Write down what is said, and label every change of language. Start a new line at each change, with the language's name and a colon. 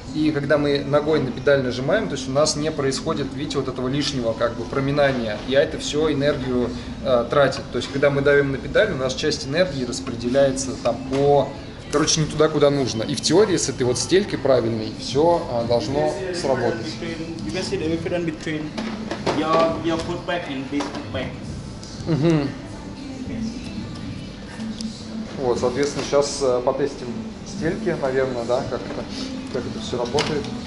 Russian: И когда мы ногой на педаль нажимаем, то есть у нас не происходит, видите, вот этого лишнего как бы проминания. И это все энергию тратит. То есть, когда мы давим на педаль, у нас часть энергии распределяется там по... Короче, не туда, куда нужно. И в теории, если ты вот стелькой правильной, все должно сработать.
English: You can see the difference between your foot back and this back. Угу.
Russian: Вот, соответственно, сейчас потестим стельки, наверное, да, как это все работает.